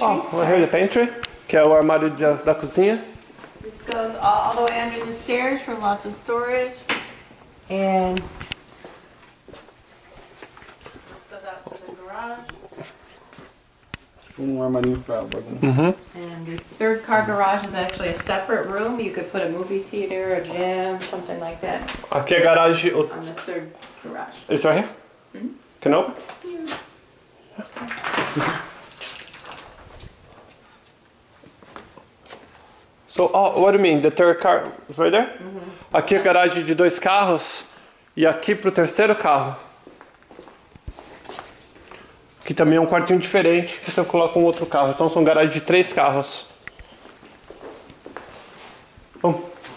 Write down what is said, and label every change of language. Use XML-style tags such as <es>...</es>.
<en>Oh, right here the pantry,</en> <pt>que é o armário de, da cozinha.</pt> <en>This goes all the way under the stairs for lots of storage. And this goes out to the garage.</en> <pt>Um armário para o</pt> <en>And the third car garage is actually a separate room. You could put a movie theater, a gym, something like that.</en> <pt>Aqui é a garagem.</pt> <en>On the third garage. It's right here? Mm-hmm. Can I open? So, oh, what do you mean? The third car, right there? Mm-hmm.</en> <pt>Aqui é a garagem de dois carros e aqui pro terceiro carro. Que também é um quartinho diferente, que você coloca um outro carro. Então são garagens de três carros. Bom.</pt>